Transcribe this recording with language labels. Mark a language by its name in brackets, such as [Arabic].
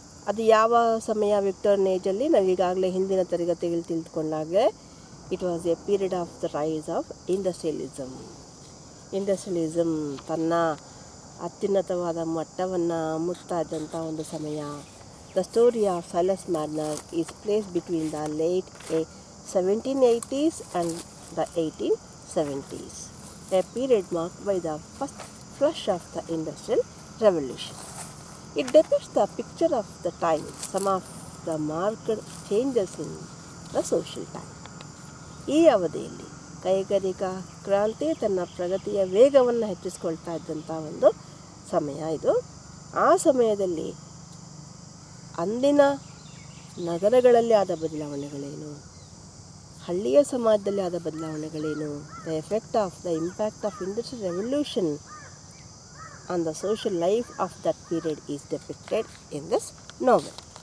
[Kannada] ಅದು ಯಾವ ಸಮಯ ವಿಕ್ಟೋರಿಯನ್ ಏಜಲ್ಲಿ, ನಾವೀಗಾಗಲೇ ಹಿಂದಿನ ತರಗತಿಗಳು ತಿಳಿದುಕೊಂಡಾಗೆ, [English] It was a period of the rise of industrialism. [Kannada] ಇಂಡಸ್ಟ್ರಿಯಲಿಸಮ್ ತನ್ನ ಅತ್ಯುನ್ನತವಾದ ಮಟ್ಟವನ್ನು ಮುಟ್ತಾ ಇದ್ದಂಥ ಒಂದು ಸಮಯ. [English] The story of Silas Marner is place between the late 1780s and the 1870s. A period marked by the first flush of the industrial revolution. It depicts the picture of the time, some of the marked changes in the social time. [Kannada] ಈ ಅವಧಿಯಲ್ಲಿ ಕೈಗಾರಿಕಾ ಕ್ರಾಂತಿ ತನ್ನ ಪ್ರಗತಿಯ ವೇಗವನ್ನು ಹೆಚ್ಚಿಸ್ಕೊಳ್ತಾ ಇದ್ದಂಥ ಒಂದು ಸಮಯ ಇದು. ಆ ಸಮಯದಲ್ಲಿ ಅಂದಿನ ನಗರಗಳಲ್ಲಿ ಆದ ಬದಲಾವಣೆಗಳೇನು, [English] ಹಳ್ಳಿಯ ಸಮಾಜದಲ್ಲಿ ಆದ ಬದಲಾವಣೆಗಳೇನು, the effect of the impact of industrial revolution on the social life of that period is depicted in this novel.